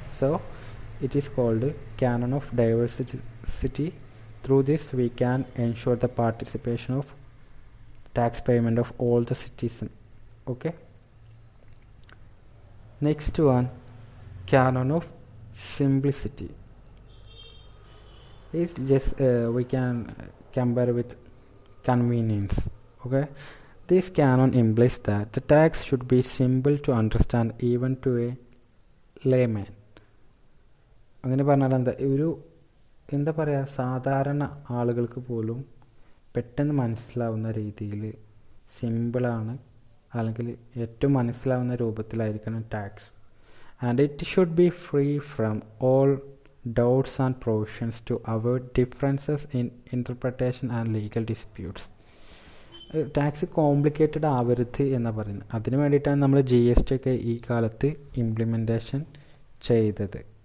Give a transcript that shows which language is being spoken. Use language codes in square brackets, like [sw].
[en] So it is called canon of diversity. Through this we can ensure the participation of tax payment of all the citizen. Okay, next one canon of simplicity. It's just we can compare with convenience. Okay, this canon implies that the tax should be simple to understand even to a layman. [ml] അങ്ങനെ പറഞ്ഞാൽ എന്താ ഒരു എന്താ പറയുക സാധാരണ ആളുകൾക്ക് പോലും പെട്ടെന്ന് മനസ്സിലാവുന്ന രീതിയിൽ സിമ്പിളാണ് അല്ലെങ്കിൽ ഏറ്റവും മനസ്സിലാവുന്ന രൂപത്തിലായിരിക്കണം tax. [en] And it should be free from all doubts and provisions to avoid differences in interpretation and legal disputes. [ml] Tax complicated ആവരുത് എന്ന് പറയുന്നത്, അതിന് വേണ്ടിയിട്ടാണ് നമ്മൾ ജി എസ് ടി ഒക്കെ ഈ കാലത്ത് ഇംപ്ലിമെൻറ്റേഷൻ ചെയ്തത്.